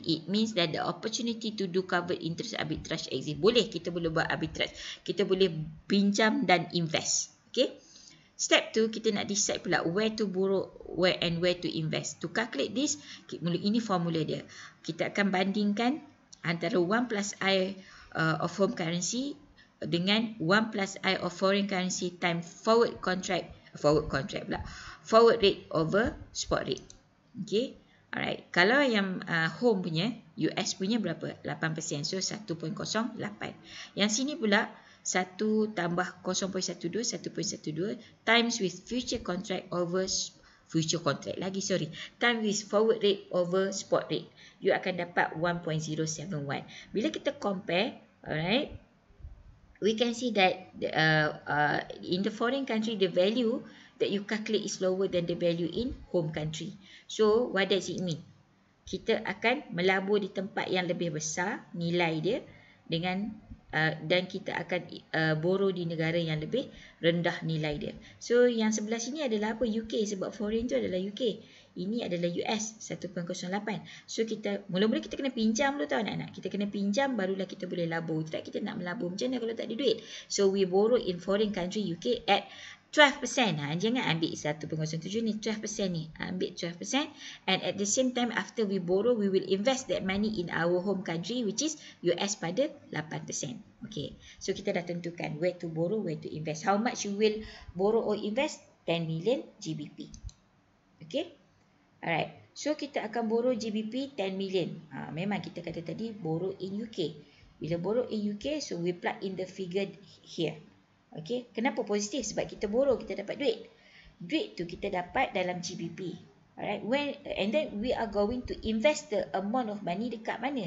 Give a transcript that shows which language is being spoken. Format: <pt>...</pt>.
<en>It means that the opportunity to do covered interest arbitrage exist.</en> <ms>Boleh. Kita boleh buat arbitrage. Kita boleh pinjam dan invest.</ms> <en>Okay. Step 2, kita nak decide pula where to borrow where and where to invest. To calculate this,</en> <ms>ini formula dia. Kita akan bandingkan antara</ms> <en>1 plus I of home currency dengan 1 plus I of foreign currency times forward rate over spot rate. Okay. Alright.</en> <ms>Kalau yang home punya, US punya berapa?</ms> <en>8%. So, 1.08. Yang sini pula, 1 tambah 0.12, 1.12 times with future contract over future contract lagi, sorry. Times with forward rate over spot rate. You</en> <ms>akan dapat</ms> <en>1.071. Bila kita compare, alright, we can see that in the foreign country, the value that you calculate is lower than the value in home country. So, what does it mean?</en> <ms>Kita akan melabur di tempat yang lebih besar nilai dia dengan dan kita akan borrow di negara yang lebih rendah nilai dia. So, yang sebelah sini adalah apa? UK, sebab foreign tu adalah UK. Ini adalah US, 1.08. So, kita mula-mula kita kena pinjam dulu tau anak-anak. Kita kena pinjam, barulah kita boleh labur. Tidak, kita nak melabur macam mana kalau tak ada duit?</ms> <en>So, we borrow in foreign country UK at 12%.</en> <ms>Ha? Jangan ambil 1.07 ni, 12% ni. Ambil 12%.</ms> <en>And at the same time, after we borrow, we will invest that money in our home country, which is US pada 8%. Okay. So,</en> <ms>kita dah tentukan</ms> <en>where to borrow, where to invest. How much you will borrow or invest? 10 million GBP. Okay. Alright, so kita akan borrow GBP 10 million. Ha,</en> <ms>memang kita kata tadi</ms> <en>borrow in UK. Bila borrow in UK, so we plug in the figure here.</en> <ms>Okay, kenapa positif? Sebab kita borrow, kita dapat duit. Duit tu kita dapat dalam GBP.</ms> <en>Alright, and then we are going to invest the amount of money</en> <ms>dekat mana?</ms>